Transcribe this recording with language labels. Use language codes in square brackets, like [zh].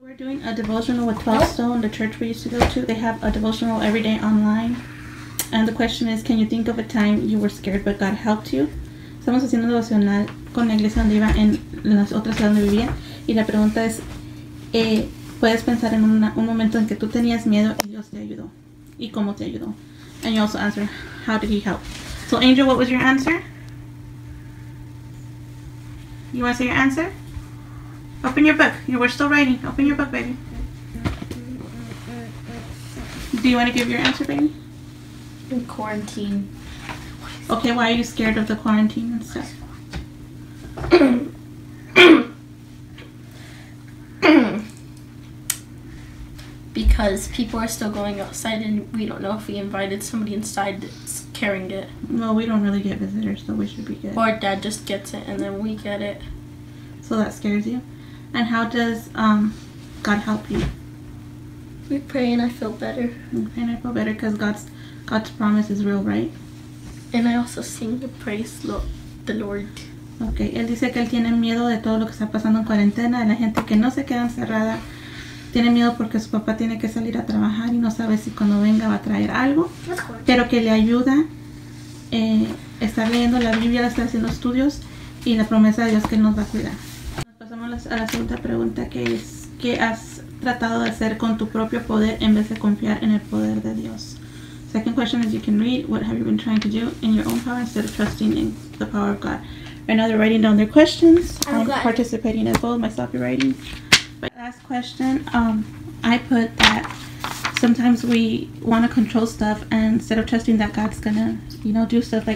[en] We're doing a devotional with 12 Stone, the church we used to go to. They have a devotional every day online. And the question is, can you think of a time you were scared but God helped you? [es] Estamos haciendo devocional con la iglesia donde iba en las otras donde vivía. Y la pregunta es, ¿puedes pensar en un momento en que tú tenías miedo y Dios te ayudó? ¿Y cómo te ayudó? [en] And you also answer, how did he help? So Angel, what was your answer? You want to say your answer? Open your book. You were still writing. Open your book, baby. Do you want to give your answer, baby? Quarantine. Okay, why are you scared of the quarantine and stuff? Because people are still going outside and we don't know if we invited somebody inside that's carrying it. Well, we don't really get visitors, so we should be good. Or Dad just gets it and then we get it. So that scares you? And how does God help you? We pray and I feel better. And I feel better because God's promise is real, right? And I also sing the praise the Lord. [es] Okay, él dice que él tiene miedo de todo lo que está pasando en cuarentena, de la gente que no se queda encerrada. Tiene miedo porque su papá tiene que salir a trabajar y no sabe si cuando venga va a traer algo. Pero que le ayuda estar leyendo la Biblia, estar haciendo estudios y la promesa de Dios que nos va a cuidar. Nos pasamos a la segunda pregunta, que es, ¿qué has tratado de hacer con tu propio poder en vez de confiar en el poder de Dios? [en] Second question is, you can read, what have you been trying to do in your own power instead of trusting in the power of God? Right now they're writing down their questions. I'm participating as well, myself writing. But last question, I put that sometimes we want to control stuff and instead of trusting that God's gonna, you know, do stuff.